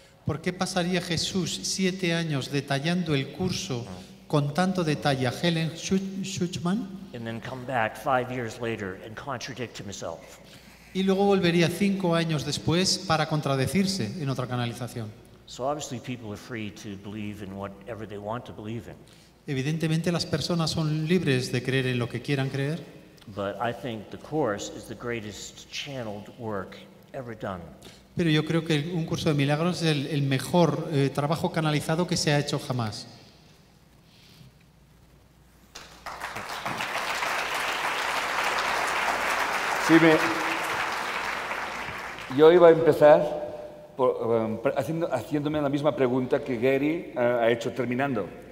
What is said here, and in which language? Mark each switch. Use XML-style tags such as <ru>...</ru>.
<es>¿Por qué pasaría Jesús 7 años detallando el curso con tanto detalle a Helen Schuckman?</es> <en>And then come back 5 years later and contradict himself.</en> <es>Y luego volvería 5 años después para contradecirse en otra canalización.</es> <en>So obviously people are free to believe in whatever they want to believe in.</en> <es>Evidentemente las personas son libres de creer en lo que quieran creer.</es> <en>But I think the course is the greatest channeled work ever done.</en> <es>Pero yo creo que un curso de milagros es el mejor trabajo canalizado que se ha hecho jamás. Sí, yo iba a empezar por, haciéndome la misma pregunta que Gary ha hecho terminando.</es>